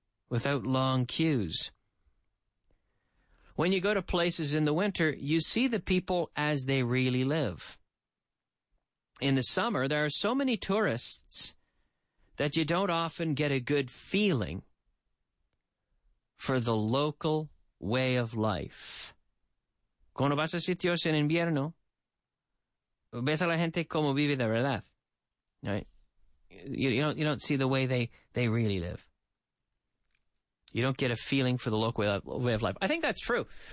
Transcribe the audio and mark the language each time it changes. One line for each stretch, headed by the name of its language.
English: Without long queues. When you go to places in the winter, you see the people as they really live. In the summer, there are so many tourists that you don't often get a good feeling for the local way of life.
Spanish: Cuando vas a sitios en invierno, ves a la gente como vive de verdad.
English: Right? You don't see the way they really live. You don't get a feeling for the local way of life. I think that's true.